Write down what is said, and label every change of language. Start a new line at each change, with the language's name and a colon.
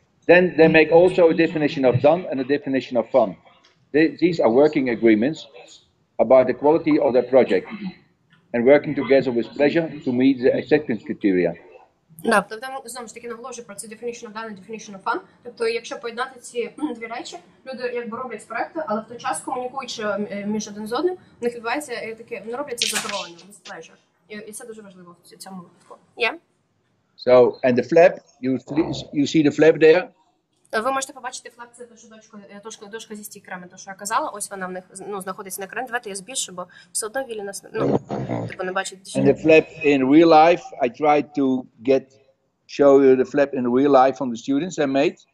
English: Then they make also a definition of done and a definition of fun. These are working agreements about the quality of their project and working together with pleasure to meet the acceptance criteria.
Ukrainian: Да, тобто там, знову ж таки, наголошую про це definition of done, definition of fun. Тобто, якщо поєднати ці дві речі, люди якби роблять проекти, але в той час, комунікуючи між один з одним, у них відбувається таке, вони роблять це задоволення,
English: with pleasure.
Ukrainian: І це дуже важливо в цьому випадку.
English: So, and the flap, you see the flap there?
Ukrainian: Ви можете побачити флеп, це дошка зі стікерами, то, що я казала, ось вона в них, ну, знаходиться на екрані. Давайте я збільшу, бо все одно Вілі нас, ну, треба не бачити.
English: And the flap in real life, I tried to get, show you the flap in real life from the students I made.